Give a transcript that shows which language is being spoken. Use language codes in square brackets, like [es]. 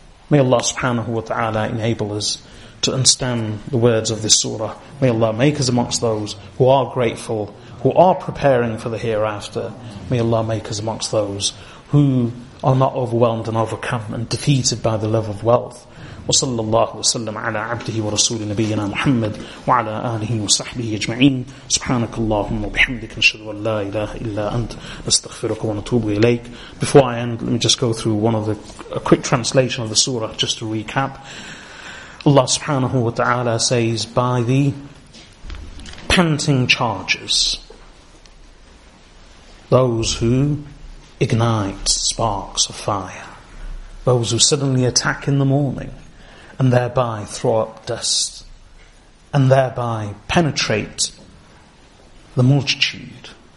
[en] May Allah subhanahu wa ta'ala enable us to understand the words of this surah. May Allah make us amongst those who are grateful, who are preparing for the hereafter. May Allah make us amongst those who are not overwhelmed and overcome and defeated by the love of wealth. [ar] وصلى الله وسلم على عبده ورسول نبينا محمد وعلى آله وصحبه أجمعين سبحانك اللهم وبحمدك نشهد أن لا إله إلا أنت نستغفرك ونتوب إليك. [en] Before I end, let me just go through a quick translation of the surah, just to recap. Allah subhanahu wa ta'ala says, by the panting charges, those who ignite sparks of fire, those who suddenly attack in the morning and thereby throw up dust and thereby penetrate the multitude.